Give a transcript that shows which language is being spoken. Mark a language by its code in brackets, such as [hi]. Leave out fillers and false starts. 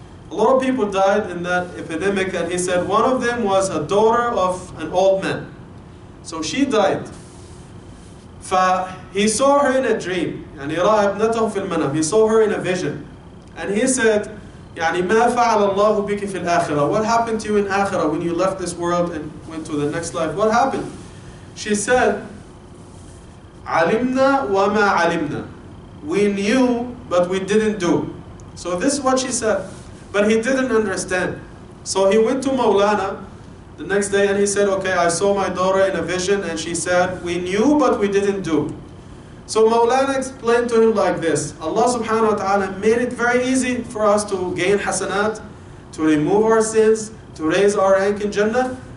[en] A lot of people died in that epidemic, and he said one of them was a daughter of an old man. So she died. He saw her in a dream. [ar] يعني رأى ابنته في المنام. [en] He saw her in a vision. And he said, [ar] يعني ما فعل الله بك في الآخرة. [en] What happened to you in Akhira when you left this world and went to the next life? What happened? She said, [ar] علمنا وما علمنا. [en] We knew, but we didn't do. So this is what she said. But he didn't understand. So he went to Mawlana the next day and he said, okay, I saw my daughter in a vision and she said, we knew but we didn't do. So Mawlana explained to him like this. Allah subhanahu wa ta'ala made it very easy for us to gain hasanat, to remove our sins, to raise our rank in Jannah.